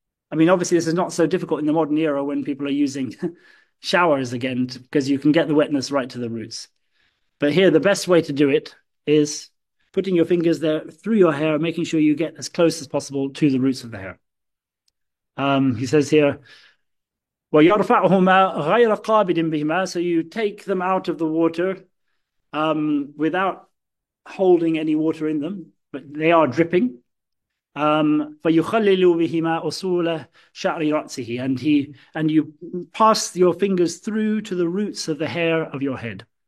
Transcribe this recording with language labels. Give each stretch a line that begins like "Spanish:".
English: I mean, obviously, this is not so difficult in the modern era when people are using showers again, because you can get the wetness right to the roots. But here, the best way to do it is putting your fingers there through your hair, making sure you get as close as possible to the roots of the hair. He says here,
Arabic: وَيَرْفَعُهُمَا غَيْرَ قَابِدٍ بِهِمَا.
English: So you take them out of the water without holding any water in them, but they are dripping.
Arabic: فَيُخَلِّلُ بِهِمَا أُصُولَ شَعْرِ رَأْسِهِ.
English: And you pass your fingers through to the roots of the hair of your head.